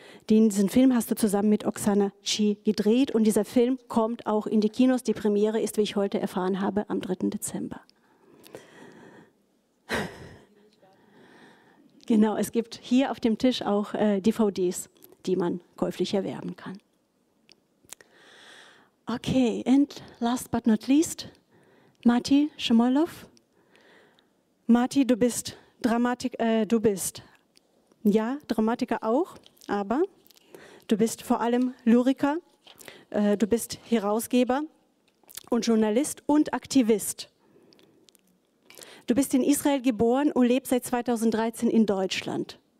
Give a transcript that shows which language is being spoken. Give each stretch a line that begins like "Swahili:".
German: Diesen Film hast du zusammen mit Oksana Chi gedreht und dieser Film kommt auch in die Kinos. Die Premiere ist, wie ich heute erfahren habe, am 3. Dezember. Genau, es gibt hier auf dem Tisch auch DVDs, die man käuflich erwerben kann.
English: Okay, and last but not least, Marty Shmoilov.
German: Marty, du bist Dramatiker auch, aber du bist vor allem Lyriker, du bist Herausgeber und Journalist und Aktivist. Du bist in Israel geboren und lebst seit 2013 in Deutschland.